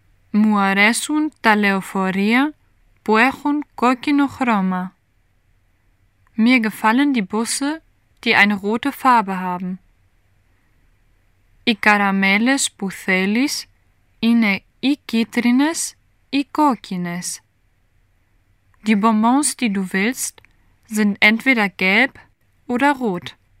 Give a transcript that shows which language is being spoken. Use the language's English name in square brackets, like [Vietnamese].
[Greek] Μου αρέσουν τα λεωφορεία που έχουν κόκκινο χρώμα. [German] Mir gefallen die Busse, die eine rote Farbe haben. [Greek] Οι καραμέλες που θέλεις είναι ή κίτρινες ή κόκκινες. [German] Die Bonbons, die du willst, sind entweder gelb oder rot.